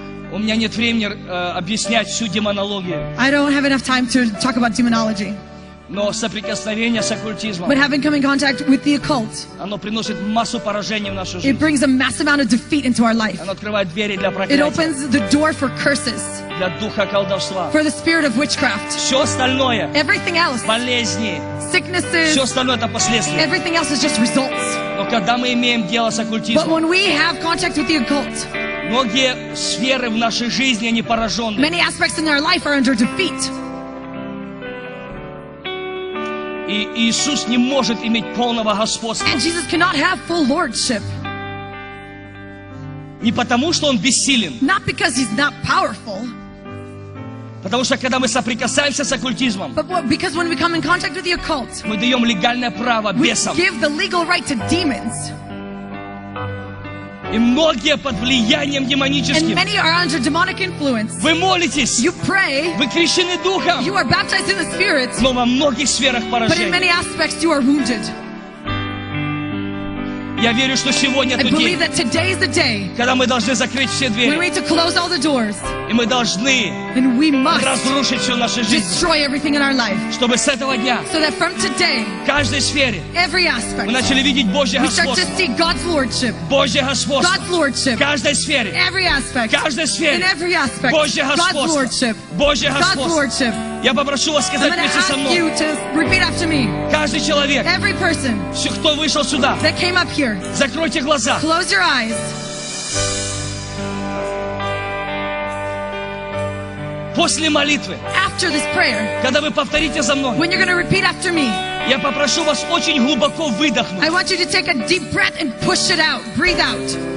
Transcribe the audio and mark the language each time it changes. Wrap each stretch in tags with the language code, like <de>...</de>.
<ru>У меня нет времени объяснять всю демонологию.</ru> <en>I don't have enough time to talk about demonology.</en> <ru>Но соприкосновение с оккультизмом.</ru> <en>But having come in contact with the occult.</en> <ru>Оно приносит массу поражений в нашу жизнь.</ru> <en>It brings a massive amount of defeat into our life.</en> <ru>Оно открывает двери для проклятия.</ru> <en>It opens the door for curses.</en> <ru>Для духа колдовства.</ru> <en>For the spirit of witchcraft.</en> <ru>Все остальное.</ru> <en>Everything else.</en> <ru>Болезни.</ru> <en>Sicknesses.</en> <ru>Все остальное это последствия.</ru> <en>Everything else is just results.</en> <ru>Но когда мы имеем дело с оккультизмом.</ru> <en>But when we have contact with the occult.</en> <ru>Многие сферы в нашей жизни они поражены.</ru> <en>Many aspects in our life are under defeat.</en> <ru>И Иисус не может иметь полного господства.</ru> <en>And Jesus cannot have full lordship.</en> <ru>Не потому, что он бессилен.</ru> <en>Not because he's not powerful.</en> <ru>Потому что когда мы соприкасаемся с оккультизмом,</ru> <en>but because when we come in contact with the occult,</en> <ru>мы даем легальное право бесам.</ru> <en>We give the legal right to demons.</en> <ru>И многие под влиянием демоническим.</ru> <en>And many are under demonic influence.</en> <ru>Вы молитесь.</ru> <en>You pray.</en> <ru>Вы крещены духом.</ru> <en>You are baptized in the Spirit.</en> <ru>Но во многих сферах поражены.</ru> <en>But in many aspects you are wounded.</en> <ru>Я верю, что сегодня тот день.</ru> <en>I believe that today is the day.</en> <ru>Когда мы должны закрыть все двери.</ru> <en>We need to close all the doors.</en> <ru>И мы должны.</ru> <en>And we must.</en> <ru>Разрушить всю нашу жизнь.</ru> <en>Destroy everything in our life.</en> <ru>Чтобы с этого дня.</ru> <en>So that from today.</en> <ru>В каждой сфере.</ru> <en>Every aspect.</en> <ru>Мы начали видеть Божье господство.</ru> <en>We start to see God's lordship.</en> <ru>Божье господство.</ru> <en>God's lordship.</en> <ru>В каждой сфере.</ru> <en>Every aspect.</en> <ru>В каждой сфере.</ru> <en>In every aspect.</en> <ru>Божье господство.</ru> <en>God's lordship.</en> <ru>Божье господство.</ru> <en>God's lordship.</en> <ru>Я попрошу вас сказать</ru> <en>I'm</en> <ru>вместе со мной.</ru> <en>You to repeat after me.</en> <ru>Каждый человек.</ru> <en>Every person.</en> <ru>Все, кто вышел сюда.</ru> <en>That came up here.</en> <ru>Закройте глаза.</ru> <en>Close your eyes.</en> <ru>после молитвы,</ru> <en>after this prayer,</en> <ru>когда вы повторите за мной,</ru> <en>when you're going to repeat after me,</en> <ru>я попрошу вас очень глубоко выдохнуть.</ru> <en>I want you to take a deep breath and push it out, breathe out.</en>